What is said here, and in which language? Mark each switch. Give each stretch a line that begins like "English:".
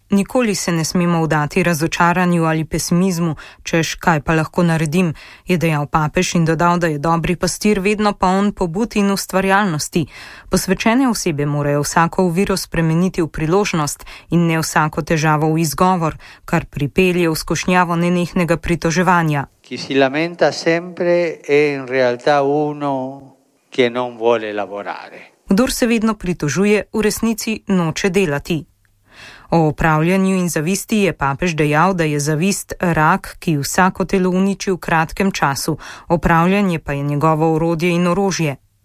Slovenian: Nikoli se ne smemo vdati razočaranju ali pesimizmu, češ kaj pa lahko naredim, je dejal papež in dodal, da je dobri pastir vedno poln pobud in ustvarjalnosti. Posvečene osebe morajo vsako oviro spremeniti v priložnost in ne vsako težavo v izgovor, kar pripelje v skušnjavo nenehnega pritoževanja.
Italian: Ki si lamenta sempre e in realtà uno che non vuole lavorare.
Slovenian: Kdor se vedno pritožuje, v resnici noče delati. O opravljanju in zavisti je papež dejal, da je zavist rak, ki vsako telo uniči v kratkem času, opravljanje pa je njegovo orodje in orožje.